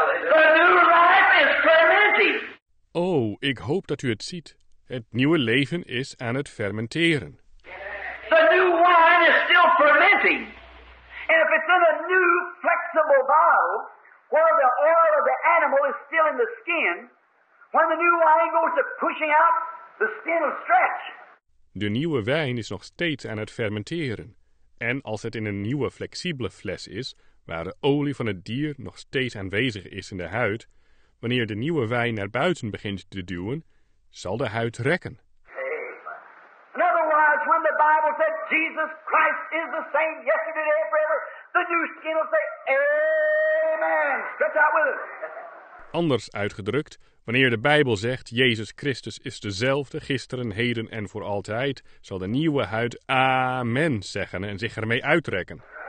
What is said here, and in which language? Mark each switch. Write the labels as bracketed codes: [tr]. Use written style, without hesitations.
[en] The new life is fermenting. [nl] Oh, ik hoop dat u het ziet. Het nieuwe leven is aan het fermenteren. [en] The new wine is still fermenting. And if it's in a new flexible bottle, where the oil of the animal is still in the skin, when the new wine goes to pushing out, the skin will stretch. [nl] De nieuwe wijn is nog steeds aan het fermenteren. En als het in een nieuwe flexibele fles is, waar de olie van het dier nog steeds aanwezig is in de huid, wanneer de nieuwe wijn naar buiten begint te duwen, zal de huid rekken. [en] In other words, when the Bible said Jesus Christ is the same yesterday, today, forever, the new skin will say, Amen. Stretch out with us. [nl] Anders uitgedrukt, wanneer de Bijbel zegt Jezus Christus is dezelfde gisteren, heden en voor altijd, zal de nieuwe huid Amen zeggen en zich ermee uittrekken.